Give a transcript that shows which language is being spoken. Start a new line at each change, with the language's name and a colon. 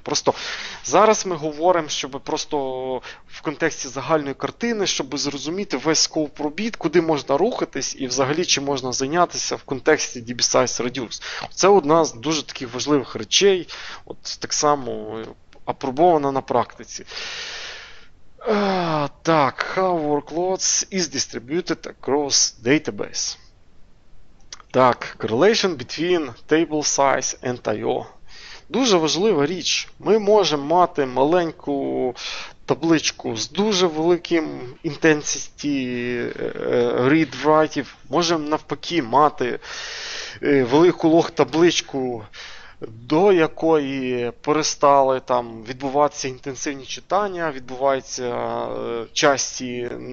Ukrainian: Просто зараз ми говоримо, щоб просто в контексті загальної картини, щоб зрозуміти весь скоуп робіт, куди можна рухатись і взагалі чи можна зайнятися в контексті DB Size Reduce. Це одна з дуже таких важливих речей, от так само апробована на практиці. Так,
English: how workloads is distributed across database.
Ukrainian: Так,
English: correlation between table size and I/O.
Ukrainian: Дуже важлива річ. Ми можемо мати маленьку табличку з дуже великим intensity read-write-ів. Можемо навпаки мати велику лог-табличку, до якої перестали там відбуватися інтенсивні читання, відбуваються часті,